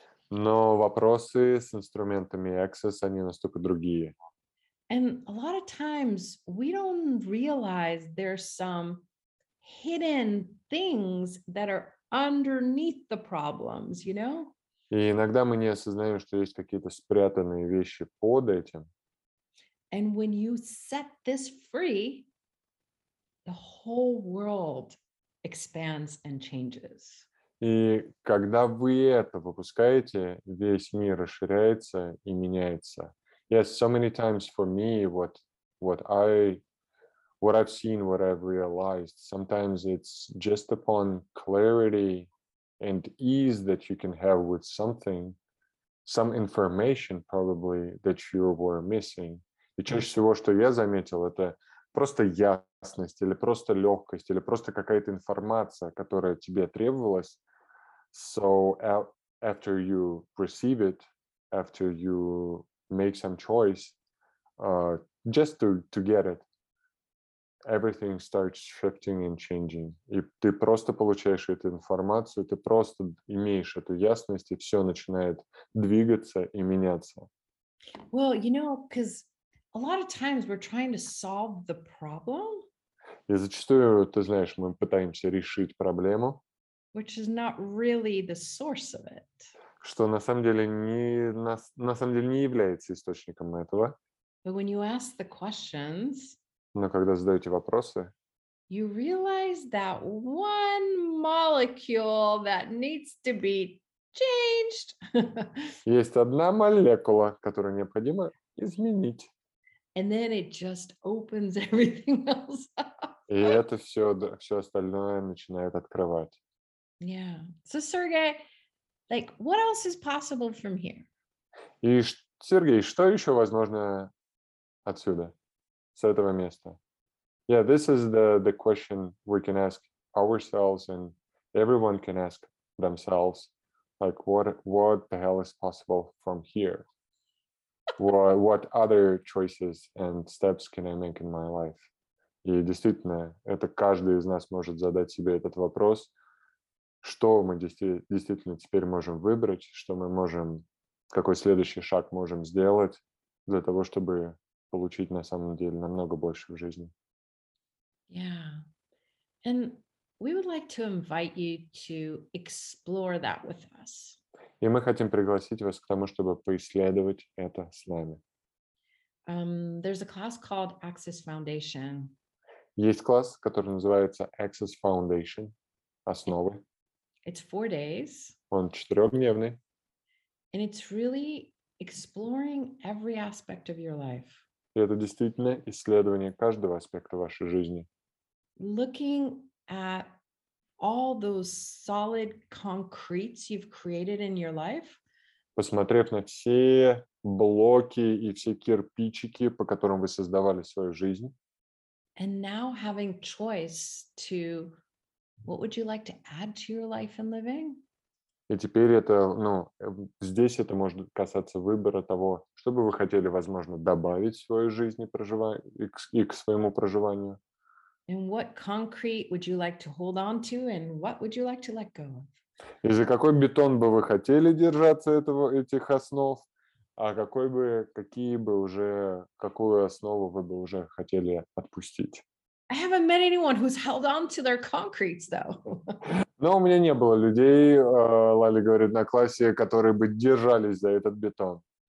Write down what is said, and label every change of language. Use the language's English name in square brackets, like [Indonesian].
[Russian] Но вопросы с инструментами Access, они настолько другие. [English] And a lot of times we don't realize there's some hidden things that are underneath the problems, you know? [Russian] И иногда мы не осознаем, что есть какие-то спрятанные вещи под этим. [English] And when you set this free, the whole world expands and changes. [Russian] И когда вы это выпускаете, весь мир расширяется и меняется. [English] Yes, so many times for me, what I've seen, what I've realized, sometimes it's just upon clarity and ease that you can have with something, some information probably that you were missing. [Russian] И чаще всего, что я заметил, это просто ясность или просто легкость или просто какая-то информация, которая тебе требовалась. [English] So after you receive it, after you make some choice, just to get it, everything starts shifting and changing. [Russian] И ты просто получаешь эту информацию, ты просто имеешь эту ясность, и все начинает двигаться и меняться. [English] Well, you know, because a lot of times we're trying to solve the problem. [Russian] И зачастую, ты знаешь, мы пытаемся решить проблему. [English] Which is not really the source of it. [Russian] Что на самом деле не является источником этого. [English] But when you ask the questions, [Russian] но когда задаете вопросы, [English] you realize that one molecule that needs to be changed. [Russian] Есть одна молекула, которую необходимо изменить. [English] And then it just opens everything else up. [Russian] И это все, все остальное начинает открывать. [English] Yeah. So, Sergey, like, what else is possible from here? [Russian] И, Сергей, что еще возможно отсюда, с этого места? [English] Yeah, this is the question we can ask ourselves, and everyone can ask themselves, like, what the hell is possible from here? What other choices and steps can I make in my life? [Russian] И действительно, это каждый из нас может задать себе этот вопрос. Что мы действительно теперь можем выбрать? Что мы можем, какой следующий шаг можем сделать для того, чтобы получить на самом деле намного больше в жизни? [English] Yeah. And we would like to invite you to explore that with us. [Russian] И мы хотим пригласить вас к тому, чтобы поисследовать это с нами. [English] There's a class called Access Foundation. [Russian] Есть класс, который называется Access Foundation, основы. [English] It's 4 days. [Russian] Он четырехдневный. [English] And it's really exploring every aspect of your life. [Russian] И это действительно исследование каждого аспекта вашей жизни. [English] Looking at all those solid concretes you've created in your life. [Russian] Посмотрев на все блоки и все кирпичики, по которым вы создавали свою жизнь. [English] And now having choice to what would you like to add to your life and living? [Russian] И теперь это, ну, здесь это может касаться выбора того, что бы вы хотели, возможно, добавить в свою жизнь и к своему проживанию. [English] And what concrete would you like to hold on to, and what would you like to let go of? [Russian] И за какой бетон бы вы хотели держаться этого, этих основ, а какой бы, какие бы уже, какую основу вы бы уже хотели отпустить? [English] I haven't met anyone who's held on to their concretes, though. [Russian] Но у меня не было людей, Лали говорит, на классе, которые бы держались за этот бетон.